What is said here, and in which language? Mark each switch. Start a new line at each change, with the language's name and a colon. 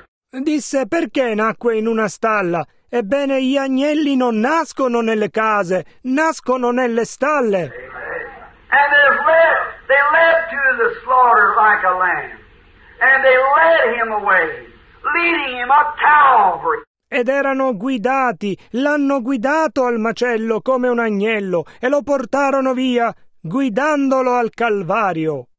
Italian: Disse, perché nacque in una stalla? Ebbene, gli agnelli non nascono nelle case, nascono nelle stalle.
English: And they led to the slaughter like a lamb. And they led him away, leading him up Calvary.
Italian: Ed erano guidati, l'hanno guidato al macello come un agnello, e lo portarono via, guidandolo al Calvario.